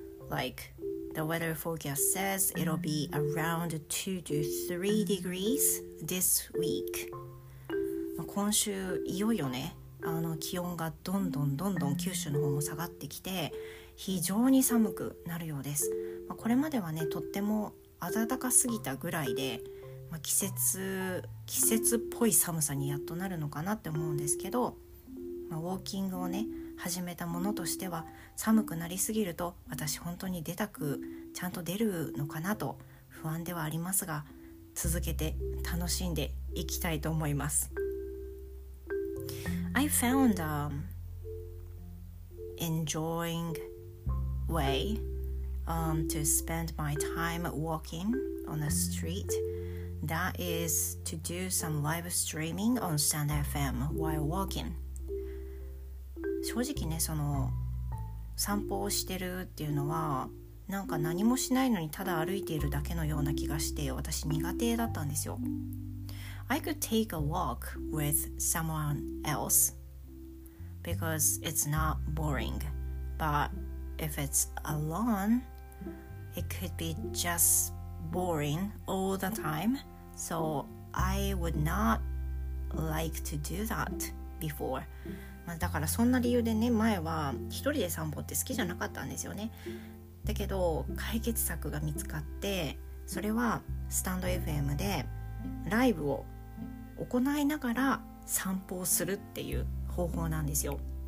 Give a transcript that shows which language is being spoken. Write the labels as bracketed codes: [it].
[en] Like the weather forecast says, it'll be around 2-3 degrees this week. [ja] 今週いよいよね。あの気温がどんどんどんどん九州の方も下がってきて非常に寒くなるようです、まあ、これまではねとっても暖かすぎたぐらいで、まあ、季節っぽい寒さにやっとなるのかなって思うんですけど、まあ、ウォーキングをね始めたものとしては、寒くなりすぎると私本当に出たくちゃんと出るのかなと不安ではありますが、続けて楽しんでいきたいと思います。 [en] I found an enjoying way to spend my time walking on the street. That is to do some live streaming on Stand FM while walking. [ja] 正直ね、その散歩をしてるっていうのは、なんか何もしないのにただ歩いているだけのような気がして、私苦手だったんですよ。 [en] I could take a walk with someone else because it's not boring. But if it's alone, it could be just boring all the time. So I would not like to do that before. [ja] まあだからそんな理由でね、前は一人で散歩って好きじゃなかったんですよね。だけど解決策が見つかって、それはスタンド FM でライブを行いながら散歩をするっていう方法なんですよ。